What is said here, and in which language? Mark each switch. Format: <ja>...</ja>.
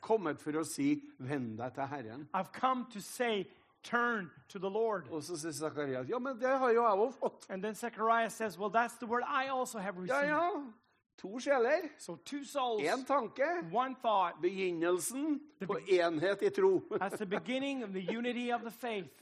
<no>kommet for å si, vend deg til Herren.</no> <en>I've come to say, turn to the Lord.</en> <no>Og så sier Zacharias, ja, men det har jo jeg også fått.</no> <en>And then Zechariah says, well, that's the word I also have received.</en> <no>Ja, ja. To sjeler.</no> <en>So two souls.</en> <no>En tanke.</no> <en>One thought.</en> <no>Begynnelsen på enhet i tro.</no> <en>That's the beginning of the unity of the faith.</en>